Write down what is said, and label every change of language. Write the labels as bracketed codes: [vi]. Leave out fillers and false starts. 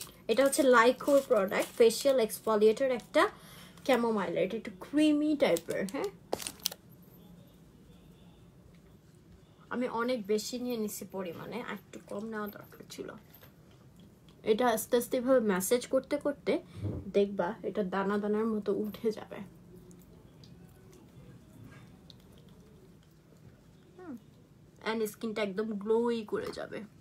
[bn] এটা হচ্ছে লাইকোর product, facial exfoliator একটা [en] chamomile, it's a creamy type. [bn] আমি অনেক বেশি নিয়ে নিছি পরিমাণে একটু কম নেওয়া দরকার ছিল এটা আস্তে আস্তে ভাবে ম্যাসেজ করতে করতে দেখবা এটা দানা দানার মতো উঠে যাবে এন্ড স্কিনটা একদম গ্লোই করে যাবে